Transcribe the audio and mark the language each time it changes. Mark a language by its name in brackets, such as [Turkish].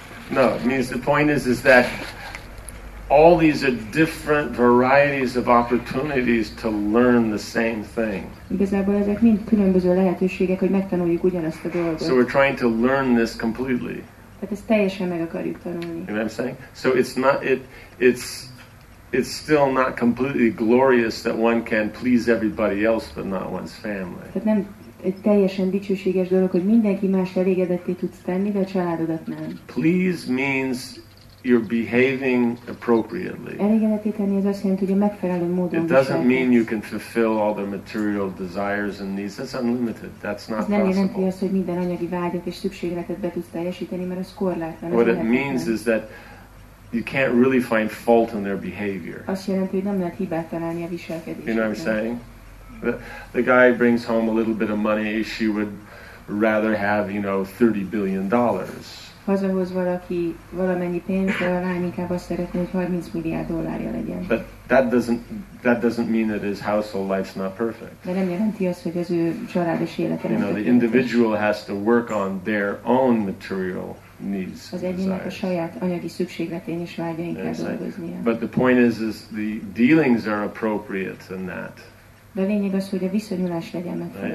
[English] No, it means the point is that all these are different varieties of opportunities to learn the same thing. [Hungarian] Igazából ezek mind különböző lehetőségek, hogy megtanuljuk ugyanazt a dolgot. [English] So we're trying to learn this completely. [Hungarian] Tehát ezt teljesen meg akarjuk tanulni. [English] You know what I'm saying? So it's not it's still not completely glorious that one can please everybody else but not one's family. [Hungarian] Tehát nem egy teljesen dicsőséges dolog, hogy mindenki más elégedetté tudsz tenni, de a családodat nem. [English] Please means you're behaving appropriately. [Hungarian] Elégedetté tenni az azt jelenti, hogy a megfelelő módon viselkedsz. [English] It doesn't mean you can fulfill all the material desires and needs. That's unlimited. That's not possible. [Hungarian] Ez nem jelenti azt, hogy minden anyagi vágyat és szükségletet be tudsz teljesíteni, mert az korlátlan. [English] What it means is that you can't really find fault in their behavior. [Hungarian] Azt jelenti, hogy nem lehet hibát találni a viselkedésben. [English] You know what I'm saying? The guy brings home a little bit of money, she would rather have, you know, $30 billion. [Hungarian] Hazahoz valaki valamennyi pénzt, de a lány inkább azt szeretné, hogy 30 milliárd dollárja legyen. [English] But that doesn't mean that his household life's not perfect. [Hungarian] De nem jelenti azt, hogy az ő családos élete nem tökéletes. [English] The individual has to work on their own material needs. [Hungarian] Az egyének a saját anyagi szükségletén és vágyain kell dolgoznia. [English] But the point is the dealings are appropriate in that. [Hungarian] De a lényeg az, hogy a viszonyulás legyen megfelelő.